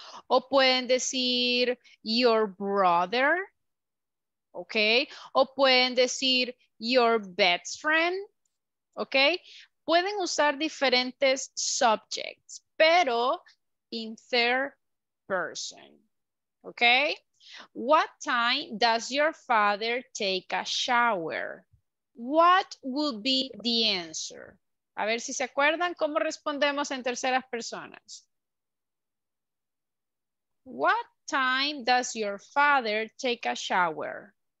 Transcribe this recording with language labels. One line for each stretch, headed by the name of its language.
Spanish: o pueden decir
English: your brother,
Spanish: okay, o pueden decir
English: your best friend,
Spanish: okay, pueden usar diferentes subjects, pero
English: in third person. Okay, what time does your father take a shower? What would be the answer?
Spanish: A ver si se acuerdan cómo respondemos en terceras personas.
English: What time does your father take a shower?